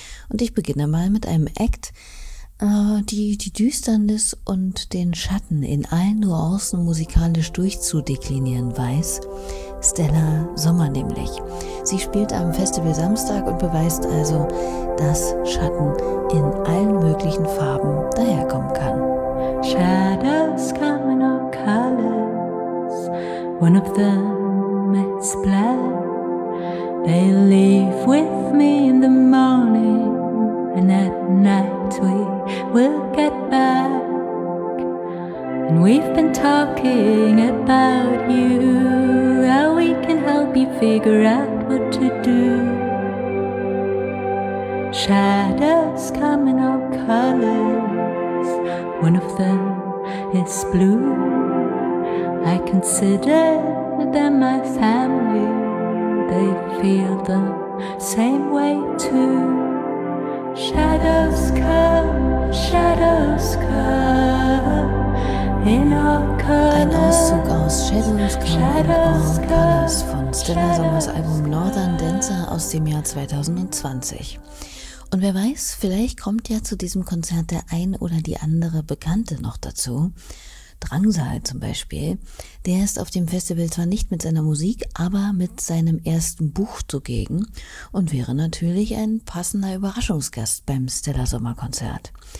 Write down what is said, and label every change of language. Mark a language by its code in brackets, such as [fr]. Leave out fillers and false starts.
[de] Und ich beginne mal mit einem Act, die Düsternis und den Schatten in allen Nuancen musikalisch durchzudeklinieren weiß. Stella Sommer nämlich. Sie spielt am Festival Samstag und beweist also, dass Schatten in allen möglichen Farben daherkommen kann. [en] Shadows come in all colors. One of them is black. They leave with me in the morning. And at night we will get back. And we've been talking about you. Help you figure out what to do. Shadows come in all colors. One of them is blue. I consider them my family. They feel the same way too. Shadows come in all colors. [de] Ein Auszug aus Shadows Come. Stella Sommers Album Northern Dancer aus dem Jahr 2020. Und wer weiß, vielleicht kommt ja zu diesem Konzert der ein oder die andere Bekannte noch dazu. Drangsal zum Beispiel, der ist auf dem Festival zwar nicht mit seiner Musik, aber mit seinem ersten Buch zugegen und wäre natürlich ein passender Überraschungsgast beim Stella Sommer Konzert.